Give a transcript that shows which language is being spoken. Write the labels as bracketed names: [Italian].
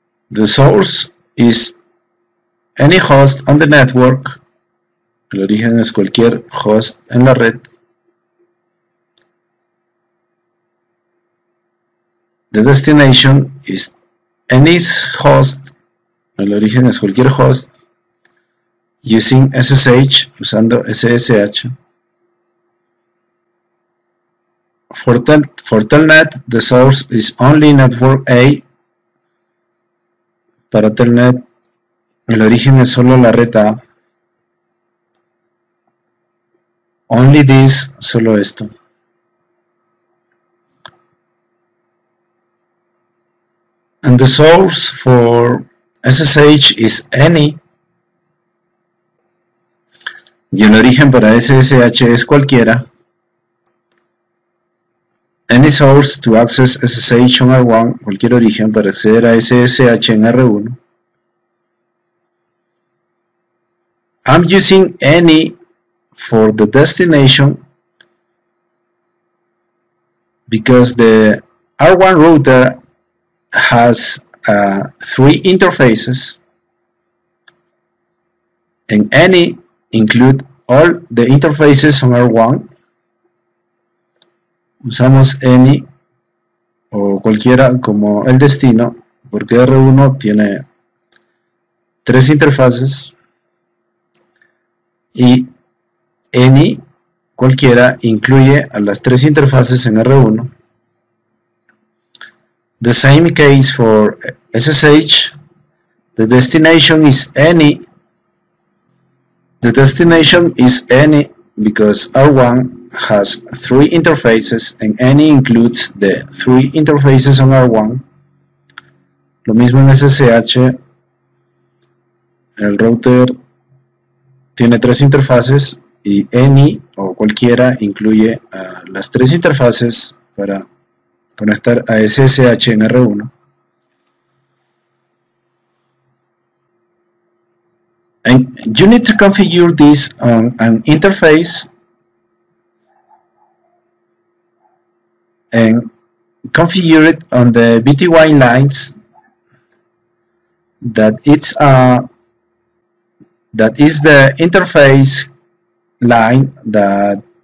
[English] The source is any host on the network. [Spanish] El origen es cualquier host en la red. [English] The destination is any host, [Spanish] el origen es cualquier host, [English] using SSH, [Spanish] usando SSH. [English] For Telnet, the source is only network A. [Spanish] Para Telnet, el origen es solo la red A. Only this, solo esto. [English] And the source for SSH is any. [Spanish] Y el origen para SSH es cualquiera. [English] Any source to access SSH on R1. [Spanish] Cualquier origen para acceder a SSH en R1. [English] I'm using any for the destination. Because the R1 router has 3 interfaces, and any include all the interfaces on R1. [Spanish] Usamos any o cualquiera como el destino, porque R1 tiene 3 interfaces, y any cualquiera incluye a las 3 interfaces en R1. [English] The same case for SSH. The destination is any. The destination is any because R1 has 3 interfaces and any includes the 3 interfaces on R1. [Spanish] Lo mismo en SSH. El router tiene 3 interfaces y any o cualquiera incluye las 3 interfaces para conectar a SSH en R1. [English] And you need to configure this on an interface. And configure it on the BTY lines. That is the interface line that